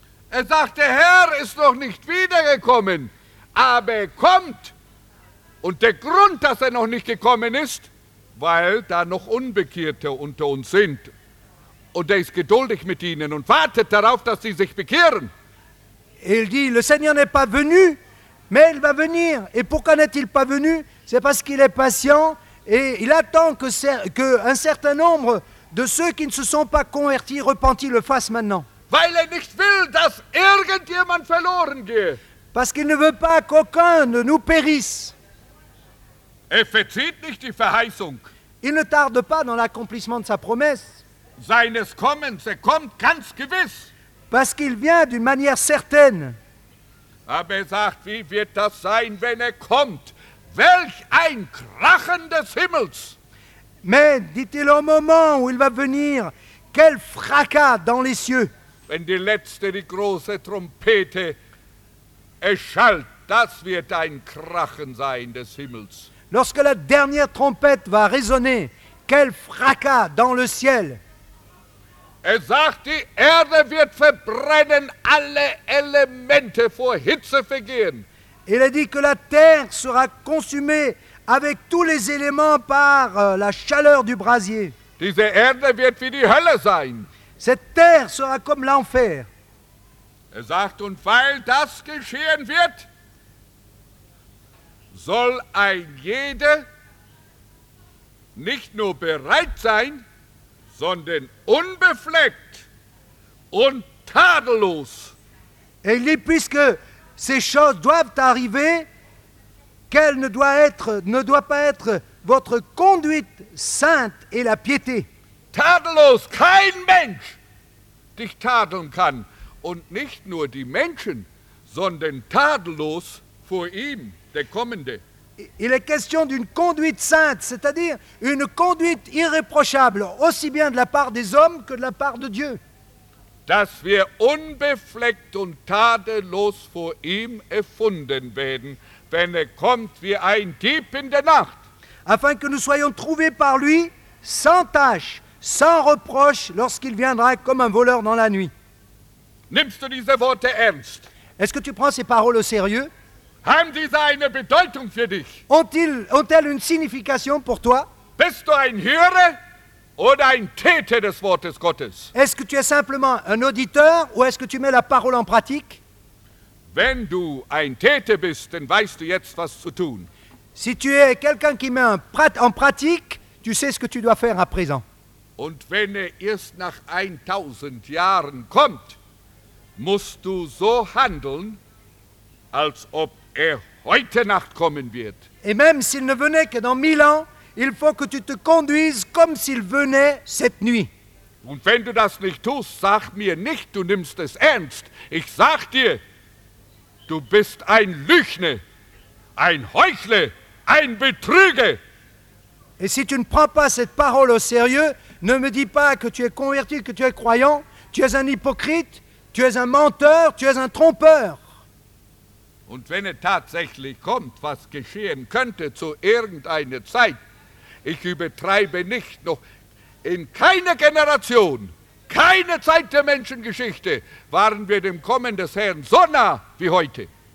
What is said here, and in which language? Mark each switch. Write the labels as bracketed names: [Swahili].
[German] Er sagt, der Herr ist noch nicht wiedergekommen. Aber er kommt. Und der Grund, dass noch nicht gekommen ist, weil da noch Unbekehrte unter uns sind. und er ist geduldig mit ihnen und wartet darauf, dass sie sich bekehren. [French] Il dit, le Seigneur n'est pas venu, mais il va venir. Et pourquoi n'est-il pas venu? C'est parce qu'il est patient et il attend qu'un certain nombre de ceux qui ne se sont pas convertis, repentis, le fassent maintenant. [German] Weil er nicht will, dass irgendjemand verloren gehe. [French] Parce qu'il ne veut pas qu'aucun de nous périsse. [German] Er verzieht nicht die Verheißung. [French] Il ne tarde pas dans l'accomplissement de sa promesse. [German] Seines Kommens, er kommt ganz gewiss. [French] Parce qu'il vient d'une manière certaine. [German] Aber er sagt, wie wird das sein, wenn er kommt? Welch ein Krachen des Himmels! [French] Mais, dit-il, au moment où il va venir, quel fracas dans les cieux! [German] Wenn die letzte, die große Trompete erschallt, das wird ein Krachen sein des Himmels. [French] Lorsque la dernière trompette va résonner, quel fracas dans le ciel! [German] Er sagt, die Erde wird verbrennen, alle Elemente vor Hitze vergehen. [French] Il a dit que la terre sera consumée avec tous les éléments par la chaleur du brasier. [German] Diese Erde wird wie die Hölle sein. [French] Cette terre sera comme l'enfer. [German] Er sagt, und weil das geschehen wird, soll ein jeder nicht nur bereit sein, sondern unbefleckt und tadellos. [French] Et il dit, puisque ces choses doivent arriver, quelle ne doit pas être votre conduite sainte et la piété. [German] Tadellos, kein Mensch dich tadeln kann. Und nicht nur die Menschen, sondern tadellos vor ihm, der Kommende. [French] Il est question d'une conduite sainte, c'est-à-dire une conduite irréprochable, aussi bien de la part des hommes que de la part de Dieu. [German] Dass wir unbefleckt und tadellos vor ihm erfunden werden, wenn er kommt wie ein Dieb in der Nacht. [French] Afin que nous soyons trouvés par lui, sans tache, sans reproche, lorsqu'il viendra comme un voleur dans la nuit. [German] Nimmst du diese Worte ernst? [French] Est-ce que tu prends ces paroles au sérieux? [German] Haben diese eine Bedeutung für dich? [French] Ont-elles une signification pour toi? [German] Bist du ein Hörer oder ein Täter des Wortes Gottes? [French] Est-ce que tu es simplement un auditeur ou est-ce que tu mets la parole en pratique? [German] Wenn du ein Täter bist, dann weißt du jetzt, was zu tun. [French] Si tu es quelqu'un qui met en pratique, tu sais ce que tu dois faire à présent. [German] Und wenn erst nach 1000 Jahren kommt, musst du so handeln, als ob heute Nacht kommen wird. [French] Et même s'il ne venait que dans 1000 ans, il faut que tu te conduises comme s'il venait cette nuit. [German] Und wenn du das nicht tust, sag mir nicht, du nimmst es ernst. Ich sag dir, du bist ein Lügner, ein Heuchler, ein Betrüger. [French] Et si tu ne prends pas cette parole au sérieux, ne me dis pas que tu es converti, que tu es croyant. Tu es un hypocrite, tu es un menteur, tu es un trompeur. [German] Und wenn tatsächlich kommt, was geschehen könnte zu irgendeiner Zeit, ich übertreibe nicht, noch in keiner Generation, keine Zeit der Menschengeschichte, waren wir dem Kommen des Herrn so nah wie heute.